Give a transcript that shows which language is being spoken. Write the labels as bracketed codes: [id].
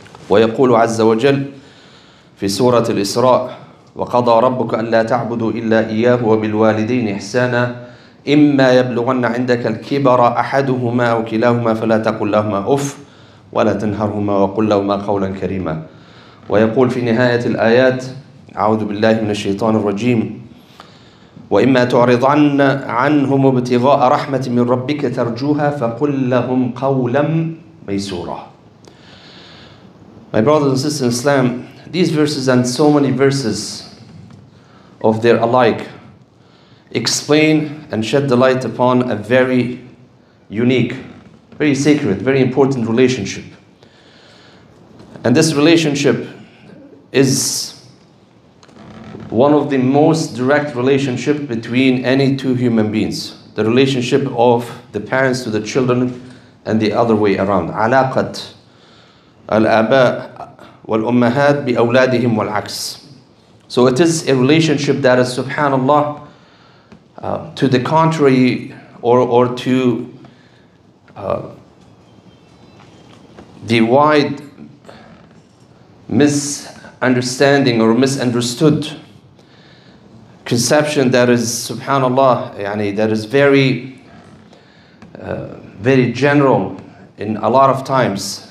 [ar] وَيَقُولُ عَزَّ وَجَلَّ فِي سُورَةِ الْإِسْرَاءِ وَقَضَى رَبُّكَ أَلَّا تَعْبُدُوا إِلَّا إِيَّاهُ وَبِالْوَالِدَيْنِ إِحْسَانًا إِمَّا يَبْلُغَنَّ عِنْدَكَ الْكِبَرَ أَحَدُهُمَا أَوْ كِلَاهُمَا فَلَا تَقُل لَّهُمَا أُفٍّ ولا تنهرهما وقل لهما قولا كريما ويقول في نهاية الآيات أعوذ بالله من الشيطان الرجيم وإما تعرضن عنهم ابتغاء رحمة من ربك ترجوها فقل لهم قولا ميسورا. [en] My brothers and sisters in Islam, these verses and so many verses of their alike explain and shed the light upon a very unique, very sacred, very important relationship. And this relationship is one of the most direct relationship between any two human beings. The relationship of the parents to the children and the other way around. [ar] علاقة الآباء والأمهات بأولادهم والعكس. [en] So it is a relationship that is subhanAllah to the contrary or to the wide misunderstanding or misunderstood conception that is subhanAllah, يعني that is very very general in a lot of times.